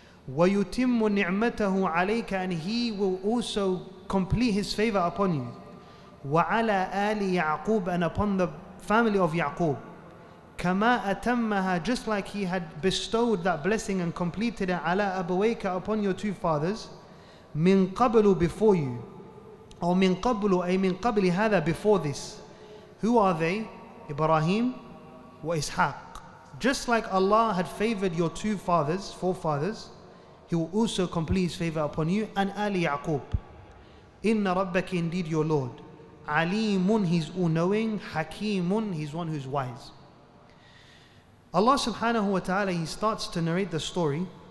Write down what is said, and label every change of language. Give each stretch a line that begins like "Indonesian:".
Arabic: وَيُتِمُّ نِعْمَتَهُ عَلَيْكَ
English: and He will also complete His favor upon you.
Arabic: وَعَلَىٰ آلِ يَعْقُوبَ
English: and upon the family of Yaqub.
Arabic: كَمَا أَتَمَّهَا
English: just like He had bestowed that blessing and completed it
Arabic: عَلَىٰ أَبَوَيْكَ
English: upon your two fathers.
Arabic: مِنْ قَبْلُ
English: before you.
Arabic: Or مِنْ قَبْلُ أي مِنْ قَبْلِ هَذَا
English: before this. Who are they? Ibrahim wa Ishaq. Just like Allah had favored your two fathers, forefathers, He will also complete His favor upon you and Ali Yaqub. Inna rabbaki indeed your Lord. Alimun, He's all-knowing. Hakimun, He's one who's wise. Allah subhanahu wa ta'ala, He starts to narrate the story.